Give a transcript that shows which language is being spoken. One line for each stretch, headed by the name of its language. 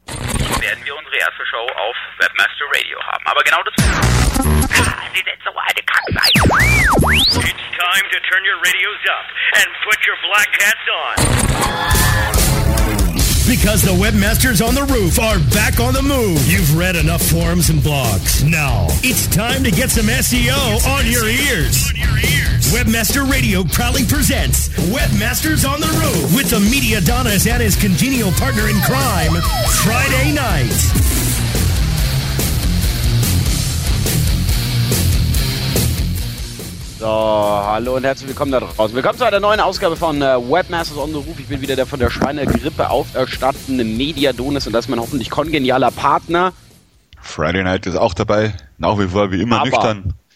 German: werden wir unsere erste Show auf Webmaster Radio haben. Aber genau das...
English: It's time to turn your radios up and put your black hats on. Because the webmasters on the roof are back on the move. You've read enough forums and blogs. Now, it's time to get some SEO on your ears. Webmaster Radio proudly presents Webmasters on the Roof with the media Donis and his congenial partner in crime, Friday night.
German: So, hallo und herzlich willkommen da draußen. Willkommen zu einer neuen Ausgabe von Webmasters on the Roof. Ich bin wieder der von der Schweinegrippe auferstandene Media Donis und das ist mein hoffentlich kongenialer Partner. Friday Night ist auch dabei, nach wie vor wie immer aber nüchtern.